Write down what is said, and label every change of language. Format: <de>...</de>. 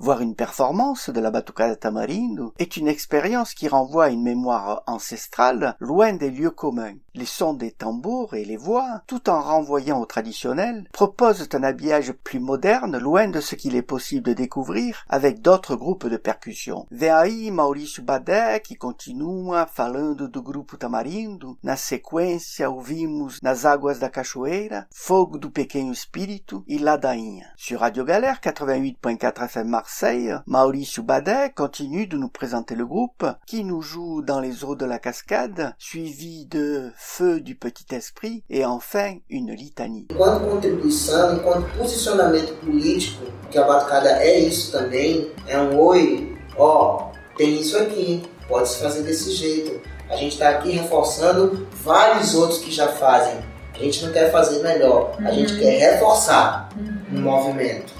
<fr>Voir une performance de la Batucada Tamarindo est une expérience qui renvoie à une mémoire ancestrale loin des lieux communs. Les sons des tambours et les voix, tout en renvoyant au traditionnel, proposent un habillage plus moderne, loin de ce qu'il est possible de découvrir avec d'autres groupes de percussions.</fr> <pt>Vem aí Maurício Badé, qui continua falando do grupo Tamarindo. Na sequência ouvimos Nas Águas da Cachoeira, Fogo do Pequeno Espírito e Ladainha.</pt> <fr>Sur Radio Galère 88.4 FM Marseille, Maurício Badé continue de nous présenter le groupe qui nous joue Dans les eaux de la cascade, suivi de Feu du Petit Esprit et enfin une litanie.</fr> <pt>Enquanto contribuição, enquanto posicionamento político, que a batucada é isso também, é um oi, ó, tem isso aqui, pode se fazer desse jeito, A gente está aqui reforçando vários outros que já fazem. A gente não quer fazer melhor, a gente quer reforçar um movimento.</pt>